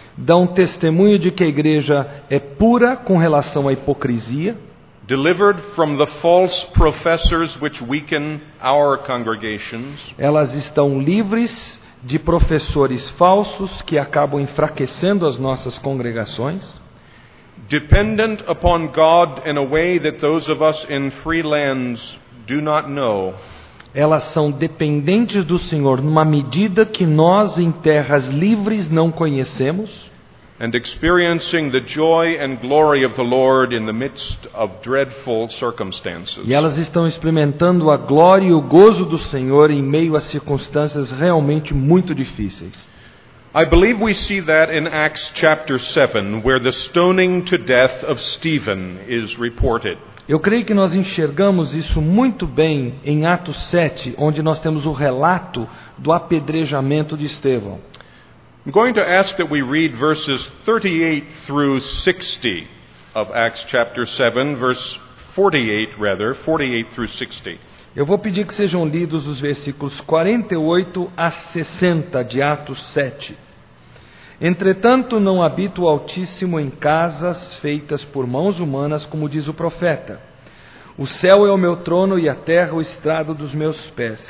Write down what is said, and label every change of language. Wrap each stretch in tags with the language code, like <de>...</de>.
<pt>dão testemunho de que a igreja é pura com relação à hipocrisia,</pt> <en>delivered from the false professors which weaken our congregations.</en> <pt>Elas estão livres de professores falsos que acabam enfraquecendo as nossas congregações.</pt> <en>Dependent upon God in a way that those of us in free lands do not know.</en> <pt>Elas são dependentes do Senhor numa medida que nós em terras livres não conhecemos.</pt> <en>And experiencing the joy and glory of the Lord in the midst of dreadful circumstances.</en> <pt>E elas estão experimentando a glória e o gozo do Senhor em meio a circunstâncias realmente muito difíceis.</pt> <en>I believe we see that in Acts chapter 7, where the stoning to death of Stephen is reported.</en> <pt>Eu creio que nós enxergamos isso muito bem em Atos 7, onde nós temos o relato do apedrejamento de Estevão.</pt> <en>I'm going to ask that we read verses 38 through 60 of Acts chapter 7, verse 48 through 60.</en> <pt>Eu vou pedir que sejam lidos os versículos 48 a 60 de Atos 7. Entretanto, não habita o Altíssimo em casas feitas por mãos humanas, como diz o profeta. O céu é o meu trono e a terra o estrado dos meus pés.</pt>